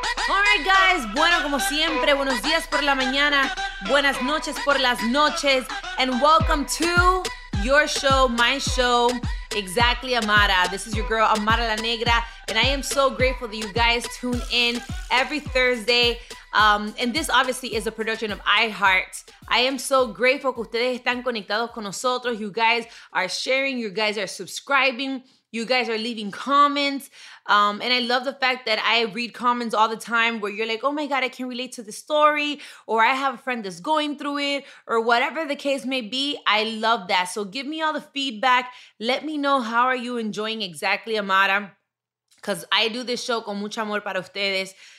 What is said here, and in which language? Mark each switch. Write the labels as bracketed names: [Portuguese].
[English] All right, guys. [Spanish] Bueno, como siempre, buenos días por la mañana, buenas noches por las noches, [English] and welcome to your show, my show, Exactly Amara. This is your girl, Amara La Negra, and I am so grateful that you guys tune in every Thursday. And this obviously is a production of iHeart. I am so grateful [Spanish] que ustedes están conectados con nosotros. [English] You guys are sharing, you guys are subscribing, you guys are leaving comments. And I love the fact that I read comments all the time where you're like, oh my God, I can relate to the story, or I have a friend that's going through it, or whatever the case may be. I love that. So give me all the feedback. Let me know how are you enjoying Exactly Amara, because I do this show [Spanish] con mucho amor para ustedes.